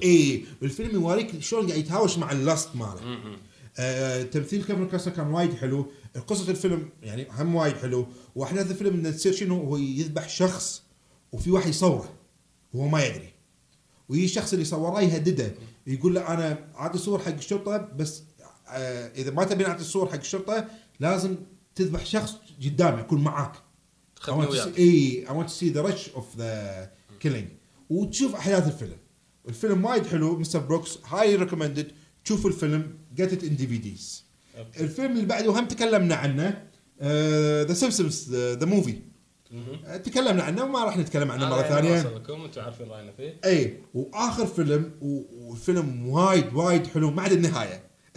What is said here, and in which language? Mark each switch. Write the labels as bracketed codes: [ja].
[ar] اي والفيلم يوريك شلون قاعد يتهاوش مع اللاست ماله تمثيل كيفن كوستنر كان وايد حلو قصه الفيلم يعني هم وايد حلو واحداث الفيلم انه تصير شنو هو يذبح شخص وفي واحد يصوره هو ما يدري ويجي الشخص اللي صوره يهدده يقول له انا اعطي صور حق الشرطه بس اذا ما تبين اعطي الصور حق الشرطه لازم تذبح شخص قدامي يكون معاك خلني وياك اي [en] I want to see the rush of the killing [ar] وتشوف احداث الفيلم الفيلم وايد حلو مستر بروكس [en] highly recommended [ar] تشوف الفيلم [en] get it in DVDs okay. [ar] الفيلم اللي بعده هم تكلمنا عنه The Simpsons the movie تكلمنا عنه وما راح نتكلم عنه مره ثانيه انا اصلكم انتوا عارفين راينا فيه اي واخر فيلم والفيلم وايد حلو ما عدا النهايه